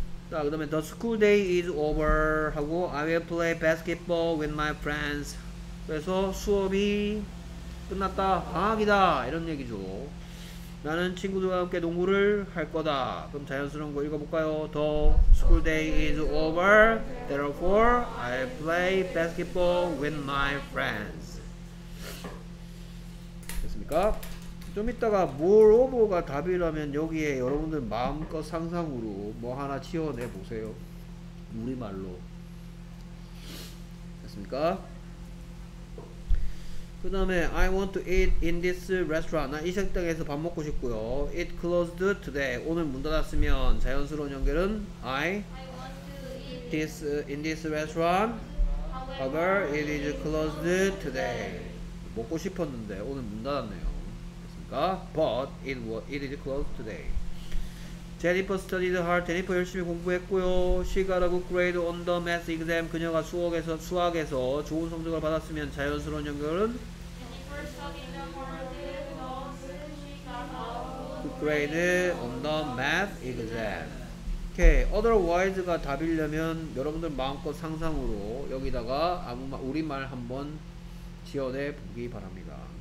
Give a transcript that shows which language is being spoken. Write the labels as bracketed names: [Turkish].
[Korean] 자, 그 다음에 [English] the school day is over [Korean] 하고 [English] I will play basketball with my friends. [Korean] 그래서 수업이 끝났다. 방학이다. 이런 얘기죠. 나는 친구들과 함께 농구를 할 거다. 그럼 자연스러운 거 읽어볼까요? [English] The school day is over. Therefore, I play basketball with my friends. [Korean] 됐습니까? 좀 이따가 moreover가 답이라면 여기에 여러분들 마음껏 상상으로 뭐 하나 치워내 보세요. 우리말로. 됐습니까? 그 다음에 [English] I want to eat in this restaurant. [Korean] 나 이 식당에서 밥 먹고 싶고요. [English] It closed today. [Korean] 오늘 문 닫았으면 자연스러운 연결은 [English] I want to eat in this restaurant. However, it is closed today. [Korean] 먹고 싶었는데 오늘 문 닫았네요. 됐습니까? [English] But it is closed today. Jennifer studied hard. Jennifer [Korean] 열심히 공부했고요. [English] She got a good grade on the math exam. [Korean] 그녀가 수학에서 좋은 성적을 받았으면 자연스러운 연결은 [English] Jennifer studied hard. She got a good grade on the math exam. Okay. [Korean] Otherwise가 답이려면 여러분들 마음껏 상상으로 여기다가 우리말 한번 지어내 보기 바랍니다.